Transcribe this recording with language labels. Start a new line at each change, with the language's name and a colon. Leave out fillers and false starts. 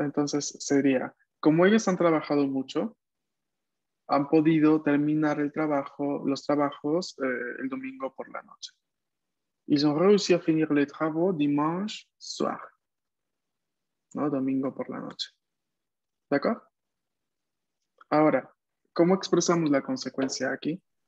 Spanish: Entonces sería, como ellos han trabajado mucho, han podido terminar el trabajo, los trabajos el domingo por la noche.
French: Ils ont réussi à finir les travaux dimanche soir.
Spanish: ¿No? Domingo por la noche. ¿D'accord? Ahora, ¿cómo expresamos la consecuencia aquí?